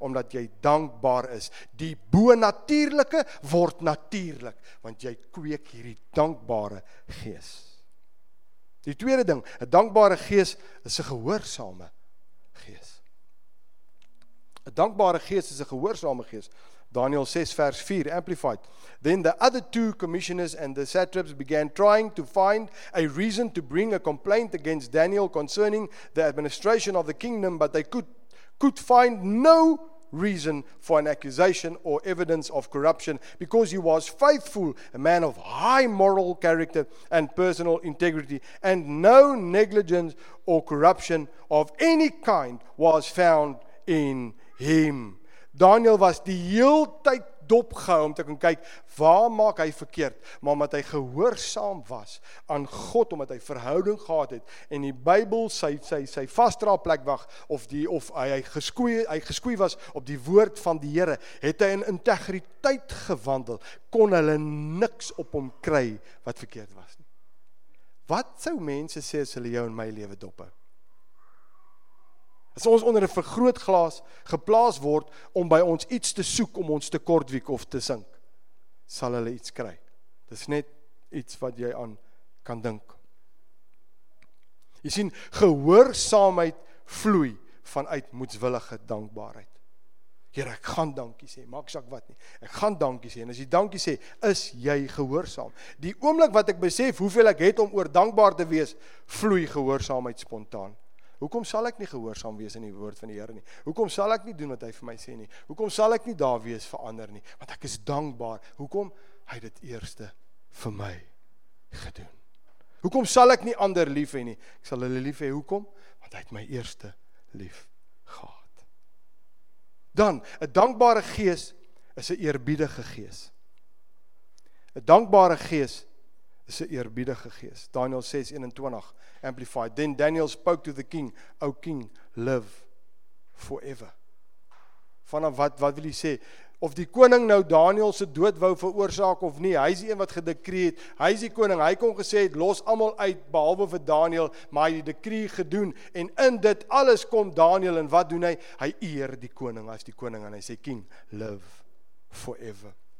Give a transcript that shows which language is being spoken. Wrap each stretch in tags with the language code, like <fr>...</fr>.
<af>Omdat jy dankbaar is. Die bonatuurlike word natuurlik, want jy kweek hierdie dankbare gees. Die tweede ding, 'n dankbare gees is 'n gehoorsame gees. 'n Dankbare gees is 'n gehoorsame gees. Daniel 6 vers 4, Amplified.</af> <en>Then the other two commissioners and the satraps began trying to find a reason to bring a complaint against Daniel concerning the administration of the kingdom, but they could find no reason for an accusation or evidence of corruption, because he was faithful, a man of high moral character and personal integrity, and no negligence or corruption of any kind was found in him.</en> <af>Daniel was die heel tyd dopgehou om te kan kyk, waar maak hy verkeerd? Maar omdat hy gehoorsaam was aan God, omdat hy verhouding gehad het, en die Bybel sy vasdraal plek wag, of hy geskoei was op die woord van die Here, het hy in integriteit gewandel, kon hulle niks op hom kry wat verkeerd was. Wat sou mense sê as hulle jou in my lewe dophou? As ons onder een vergrootglas geplaas word, om by ons iets te soek, om ons te kortwiek of te sink, sal hulle iets kry. Dit is net iets wat jy aan kan dink. Jy sien, gehoorsaamheid vloei vanuit moedswillige dankbaarheid. Heer, ek gaan dankie sê, maak sak wat nie. Ek gaan dankie sê, en as jy dankie sê, is jy gehoorsaam. Die oomblik wat ek besef hoeveel ek het om oor dankbaar te wees, vloei gehoorsaamheid spontaan. Hoekom sal ek nie gehoorsaam wees in die woord van die Here nie? Hoekom sal ek nie doen wat hy vir my sê nie? Hoekom sal ek nie daar wees vir ander nie? Want ek is dankbaar. Hoekom hy dit eerste vir my gedoen? Hoekom sal ek nie ander lief hê nie? Ek sal hulle lief hê. Hoekom? Want hy het my eerste lief gehad. Dan, 'n dankbare gees is 'n eerbiedige gees. 'n Dankbare gees is 'n eerbiedige gees. Daniel 6:21 Amplified.</af> <en>Then Daniel spoke to the king, O king, live forever.</en> <af>Vanaf wat wil hy sê? Of die koning nou Daniel se dood wou veroorsaak of nie, hy is die een wat gedekree het, hy is die koning, hy kon gesê het, los allemaal uit, behalwe vir Daniel, maar hy het die dekree gedoen, en in dit alles kom Daniel, en wat doen hy? Hy eer die koning, as die koning, en hy sê,</af> <en>king, live forever.</en>